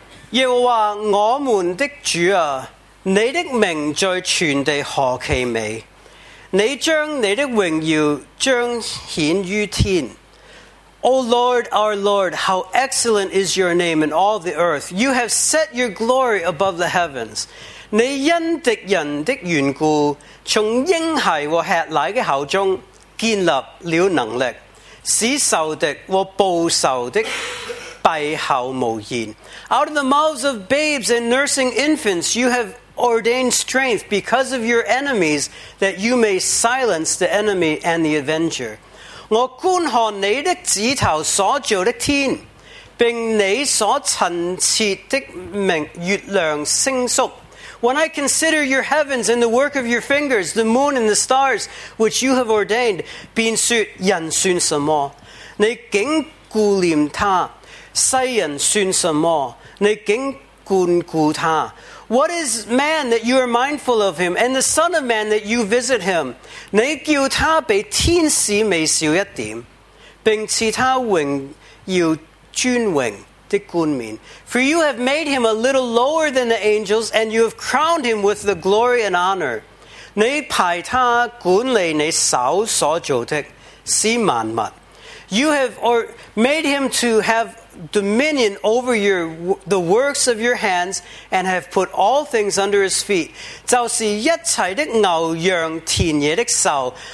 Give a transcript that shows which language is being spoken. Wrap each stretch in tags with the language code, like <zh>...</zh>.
<zh>耶和华我们的主啊，你的名在全地何其美！你将你的荣耀彰显于天。</zh> <en>O Lord, our Lord, how excellent is your name in all the earth. You have set your glory above the heavens.</en> <zh>你因敌人的缘故，从婴孩和吃奶的口中建立了能力，使仇敌和报仇的闭口无言。</zh> <en>Out of the mouths of babes and nursing infants, you have ordained strength because of your enemies, that you may silence the enemy and the avenger.</en> <zh>我观看你的指头所造的天，并你所陈设的明月亮星宿。</zh> <en>When I consider your heavens and the work of your fingers, the moon and the stars which you have ordained,</en> <zh>便说人算什么？你竟顾念他，世人算什么？你竟眷顾他？</zh> <en>What is man that you are mindful of him, and the son of man that you visit him?</en> <zh>你叫他比天使微笑一点，并赐他荣耀尊荣。</zh> <en>For you have made him a little lower than the angels, and you have crowned him with the glory and honor.</en> <zh>你派他管理你手所造的，使万物。</zh> <en>You have made him to have dominion over the works of your hands, and have put all things under his feet.</en> <zh>就是一切的牛羊田野的兽。</zh>